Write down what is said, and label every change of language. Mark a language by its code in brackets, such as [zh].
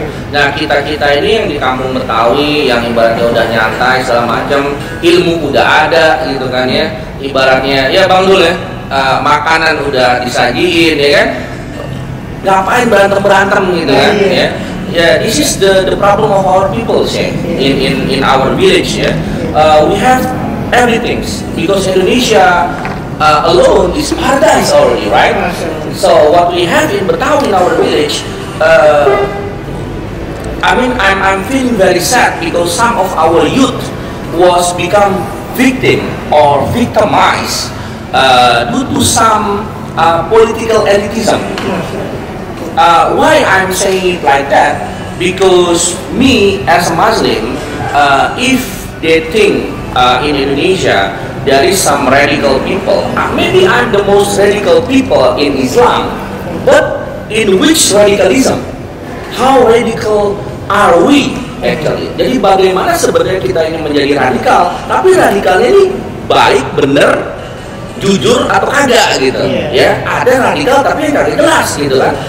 [id] Nah kita ini yang di kampung Betawi yang ibaratnya udah nyantai segala macam, ilmu udah ada gitu kan ya, ibaratnya ya Bang Dul ya, makanan udah disajiin ya kan, ngapain berantem gitu kan ya. [en] Ya, this is the problem of our people ya, in our village ya. We have everything because Indonesia alone is paradise already, right? So what we have in Betawi in our village, I'm feeling very sad because some of our youth was become victimized due to some political elitism. Why I'm saying it like that? Because me as a Muslim, if they think in Indonesia there is some radical people, maybe I'm the most radical people in Islam, but in which radicalism? How radical are we actually? [id] Jadi bagaimana sebenarnya kita ini menjadi radikal, tapi radikalnya ini baik, benar, jujur atau kagak gitu. Ada radikal tapi yang dari kelas gitu kan.